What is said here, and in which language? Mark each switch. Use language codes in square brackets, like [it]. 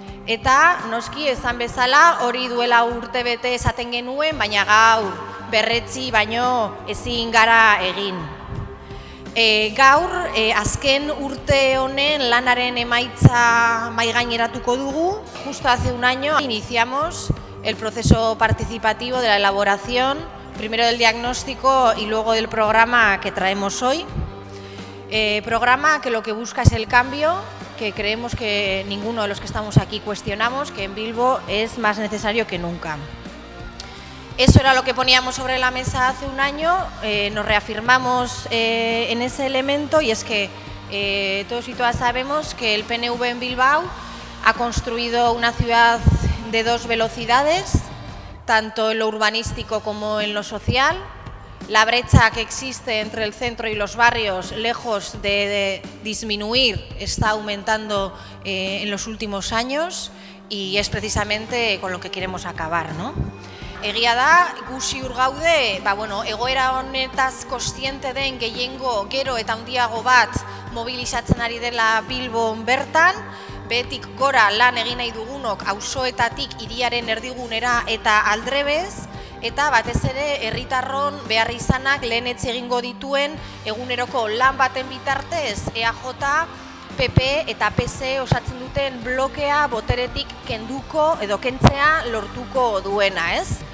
[eu] Eta noski esan bezala hori duela urte bete esaten genuen, baina gaur berretzi baino ezin gara egin. Gaur azken urte honen lanaren emaitza mahaigaineratuko dugu. [es] Justo hace un año iniciamos el proceso participativo de la elaboración, primero del diagnóstico y luego del programa que traemos hoy. Programa que lo que busca es el cambio, que creemos que ninguno de los que estamos aquí cuestionamos, que en Bilbo es más necesario que nunca. Eso era lo que poníamos sobre la mesa hace un año, nos reafirmamos en ese elemento, y es que todos y todas sabemos que el PNV en Bilbao ha construido una ciudad de dos velocidades, tanto en lo urbanístico como en lo social. La brecha que existe entre el centro y los barrios, lejos de disminuir, está aumentando en los últimos años, y es precisamente con lo que queremos acabar, ¿no? [eu] Egia da, gu ziur gaude, egoera honetaz kontziente den gehiengo gero eta handiago bat mobilizatzen ari dela Bilbon bertan, behetik gora lan egin nahi dugunok auzoetatik hiriaren erdigunera eta aldrebez, eta batez ere herritarron behar izanak lehenetsi egingo dituen eguneroko lan baten bitartez EAJ, PP eta PSE osatzen duten blokea boteretik kenduko edo kentzea lortuko duena, ez?